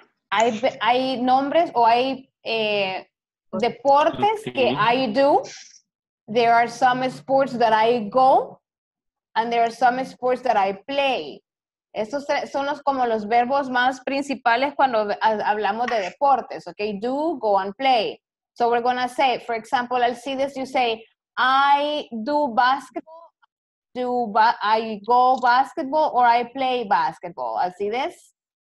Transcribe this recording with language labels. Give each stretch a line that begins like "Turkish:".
Spanish: Hay nombres o hay deportes que
English: I do. There are some sports that I go, and there are some sports that I play.
Spanish: Estos son los como los verbos más principales cuando hablamos de deportes, okay?
English: Do, go, and play. So we're gonna say, for example, I'll see this, you say, I do basketball. I go basketball or I play basketball. I'll see this.